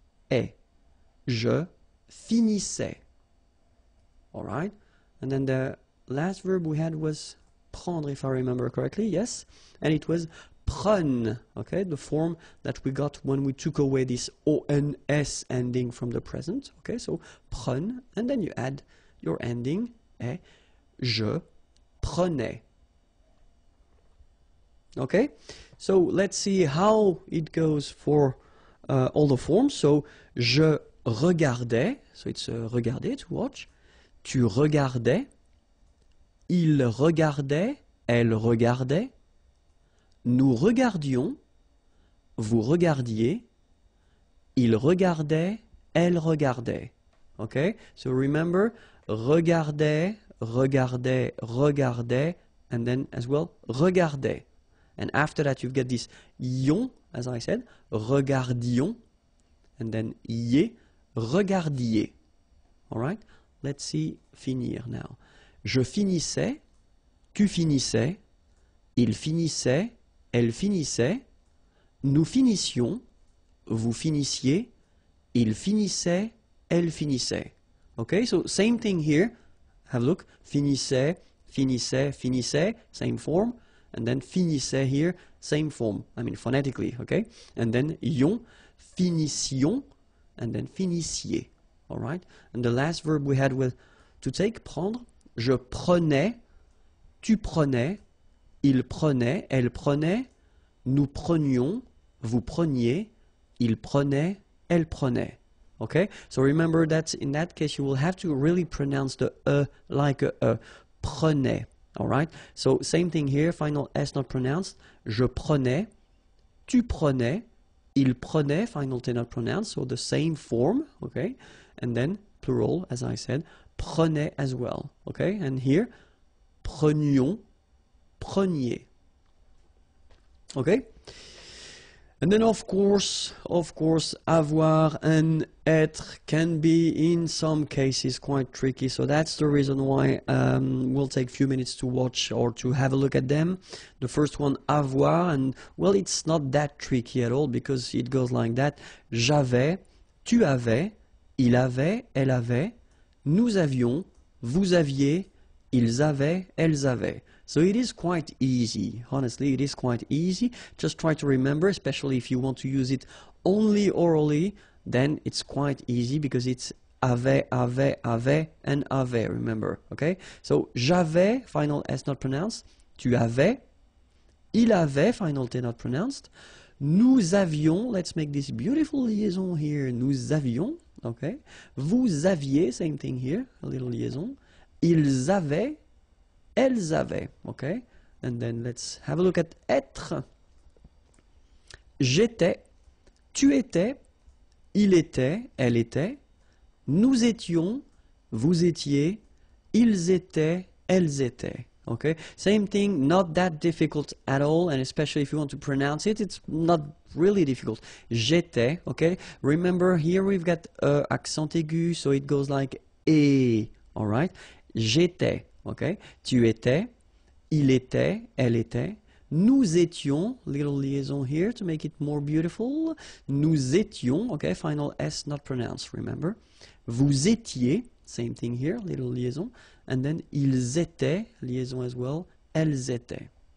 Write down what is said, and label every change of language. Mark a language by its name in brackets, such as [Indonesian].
[English] e, [French] je finissais, [English] all right, and then the last verb we had was prendre, if I remember correctly, yes, and it was prenne, okay, the form that we got when we took away this ons ending from the present, okay, so prenne, and then you add your ending, e, [French] je prenais. [English] Okay, so let's see how it goes for all the forms. So, [French] je regardais, [English] so it's regarder, to watch. [French] Tu regardais, il regardait, elle regardait, nous regardions, vous regardiez, il regardait, elle regardait. [English] Okay, so remember, regardait, regardait, regardait, and then as well, regardait. And after that, you've got this yon, as I said, regardions, and then yé, regardiez. All right? Let's see finir now. [French] Je finissais, tu finissais, il finissait, elle finissait, nous finissions, vous finissiez, il finissait, elle finissait. [English] Okay, so same thing here. Have a look. Finissait, finissait, finissait, same form. And then finissait here, same form, I mean phonetically, okay? And then yon, finissions, and then finissiez, all right? And the last verb we had was to take, prendre. [French] Je prenais, tu prenais, il prenait, elle prenait, nous prenions, vous preniez, il prenait, elle prenait. [English] Okay? So remember that in that case you will have to really pronounce the E like a E, prenait. Alright, so same thing here, final S not pronounced. [French] Je prenais, tu prenais, il prenait, [English] final T not pronounced, so the same form, okay? And then plural, as I said, prenait as well, okay? And here, prenions, preniez. Okay. And then of course, avoir un être can be in some cases quite tricky. So that's the reason why we'll take a few minutes to watch or to have a look at them. The first one, avoir, and well, it's not that tricky at all because it goes like that. [French] J'avais, tu avais, il avait, elle avait, nous avions, vous aviez, ils avaient, elles avaient. [English] So it is quite easy. Honestly, it is quite easy. Just try to remember, especially if you want to use it only orally, then it's quite easy because it's avait, avait, avait, and avait, remember. Okay? So j'avais, final S not pronounced. [French] Tu avais. Il avait, [English] final T not pronounced. [French] Nous avions, [English] let's make this beautiful liaison here. Nous avions. Okay? [French] Vous aviez, [English] same thing here, a little liaison. [French] Ils avaient. Elles avaient, [English] ok? And then let's have a look at être. [French] J'étais, tu étais, il était, elle était, nous étions, vous étiez, ils étaient, elles étaient. [English] Okay, same thing, not that difficult at all, and especially if you want to pronounce it, it's not really difficult. [French] J'étais, [English] okay? Remember, here we've got accent aigu, so it goes like et, all right? J'étais. Okay, [French] tu étais, il était, elle était, nous étions, [English] little liaison here to make it more beautiful, nous étions, okay, final S not pronounced, remember, [French] vous étiez, [English] same thing here, little liaison, and then [French] ils étaient, [English] liaison as well, [French] elles étaient.